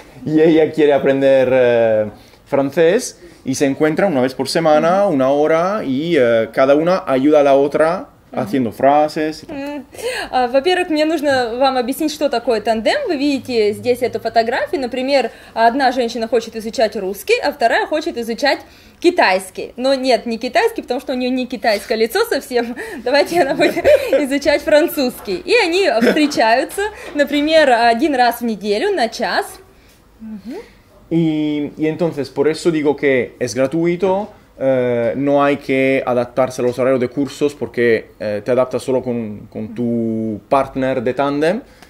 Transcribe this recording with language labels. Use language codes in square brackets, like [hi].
[es] y ella quiere aprender francés. Y se encuentran una vez por semana, una hora, y cada una ayuda a la otra haciendo frases. [ru] Во-первых, мне нужно вам объяснить, что такое тандем. Вы видите здесь эту фотографию. Например, одна женщина хочет изучать русский, а вторая хочет изучать китайский. Но нет, не китайский, потому что у нее не китайское лицо совсем. Давайте она будет изучать французский. И они встречаются, например, один раз в неделю на час. [es] Y entonces, por eso digo que es gratuito, no hay que adaptarse a los horarios de cursos porque te adaptas solo con tu partner de tándem.